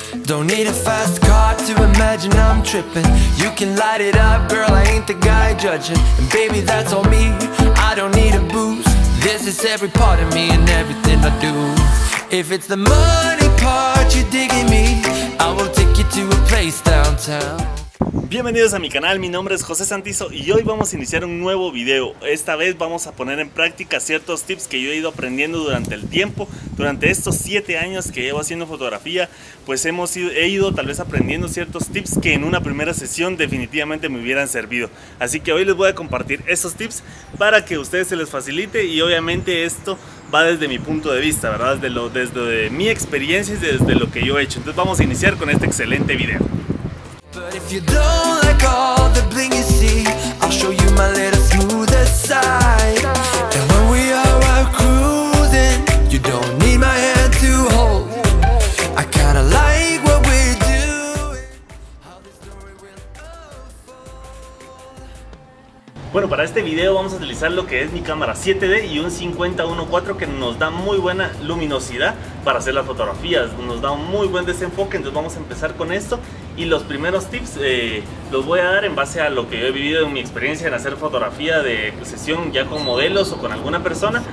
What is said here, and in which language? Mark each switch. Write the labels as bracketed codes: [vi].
[en] Don't need a fast car to imagine I'm tripping. You can light it up, girl, I ain't the guy judging. And baby, that's all me, I don't need a boost. This is every part of me and everything I do. If it's the money part you're digging me, I will take you to a place downtown. [es] Bienvenidos a mi canal, mi nombre es José Santizo y hoy vamos a iniciar un nuevo video. Esta vez vamos a poner en práctica ciertos tips que yo he ido aprendiendo durante el tiempo. Durante estos 7 años que llevo haciendo fotografía, pues he ido tal vez aprendiendo ciertos tips que en una primera sesión definitivamente me hubieran servido. Así que hoy les voy a compartir esos tips para que a ustedes se les facilite y obviamente esto va desde mi punto de vista, ¿verdad? Desde mi experiencia y desde lo que yo he hecho. Entonces vamos a iniciar con este excelente video. [en] But if you don't like all the bling you see, I'll show you my little smoother side. And when we are out cruising, you don't need my hand to hold. I kinda like what we're doing. How this story will unfold. [es] Bueno, para este video vamos a utilizar lo que es mi cámara 7D y un 50-1.4 que nos da muy buena luminosidad para hacer las fotografías. Nos da un muy buen desenfoque, entonces vamos a empezar con esto. Y los primeros tips los voy a dar en base a lo que yo he vivido en mi experiencia en hacer fotografía de sesión ya con modelos o con alguna persona.